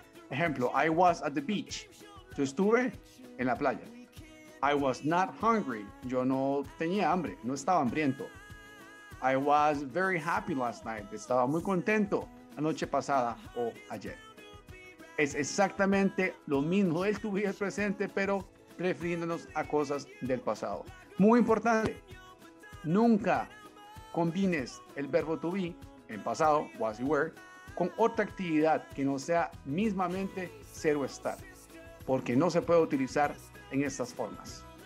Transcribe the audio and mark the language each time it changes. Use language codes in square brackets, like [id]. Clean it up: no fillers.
[es] Ejemplo, [en] I was at the beach. [es] Yo estuve en la playa. [en] I was not hungry. [es] Yo no tenía hambre, no estaba hambriento. [en] I was very happy last night. [es] Estaba muy contento la noche pasada o ayer. Es exactamente lo mismo el to be el presente, pero refiriéndonos a cosas del pasado. Muy importante, nunca combines el verbo to be en pasado, was y were, con otra actividad que no sea mismamente ser o estar, porque no se puede utilizar en estas formas.